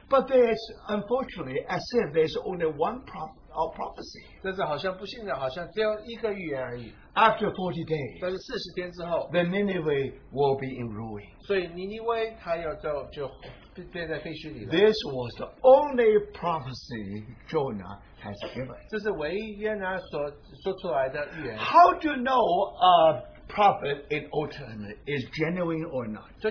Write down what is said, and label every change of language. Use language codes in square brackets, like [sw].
[en] but there's unfortunately, as if there's only one prophecy. [zh] 但是好像不幸的，好像只有一个预言而已。 [en] After 40 days, [zh] 但是40天之后, [en] the Nineveh will be in ruin. [zh] 所以尼尼微他要就变在废墟里了。 [en] This was the only prophecy Jonah has given. [zh] 这是唯一约拿所说出来的预言。 [en] How do you know a prophet in Old Testament is genuine or not?